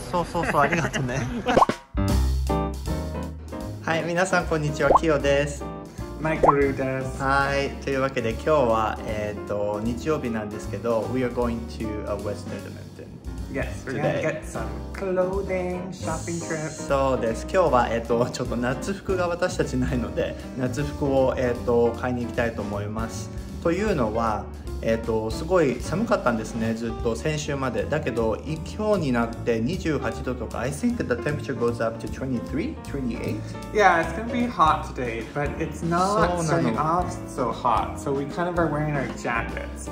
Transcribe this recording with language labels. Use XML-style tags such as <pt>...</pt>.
<ja>そうそうそう、ありがとね。はい、皆さんこんにちは、キヨです。マイクルーです。はい、というわけで今日は、日曜日なんですけど</ja> <en>We are going to a Western mountain. Yes, we're gonna get some clothing shopping trip.</en> <ja>そうです、今日は、ちょっと夏服が私たちないので夏服を、買いに行きたいと思います。というのは、すごい寒かったんですね、ずっと先週まで。だけど今日になって28度とか</ja> <en>I think the temperature goes up to 23, 28. Yeah, it's gonna be hot today, but it's not turning off so hot. So we kind of are wearing our jackets.</en>